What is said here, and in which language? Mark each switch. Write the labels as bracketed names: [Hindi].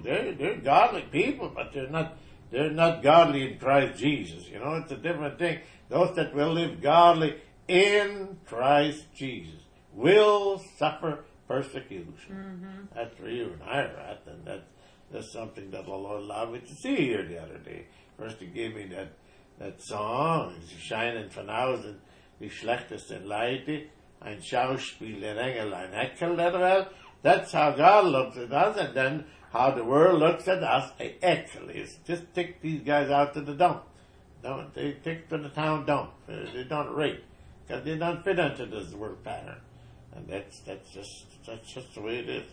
[English] They're godly people, but they're not godly in Christ Jesus. You know, it's a different thing. Those that will live godly in Christ Jesus will suffer persecution. Mm-hmm. That's where you and I are at, and that's something that the Lord allowed me to see here the other day. First, He gave me that song, [German] "Scheinen von außen die schlechtesten Leute, ein Schauspiel der Engel, ein Eckel der Welt." [English] That's how God looks at us, and then how the world looks at us, it actually is. Just take these guys out to the dump. They take to the town dump. They don't rate, because they don't fit into this world pattern. And that's just the way it is.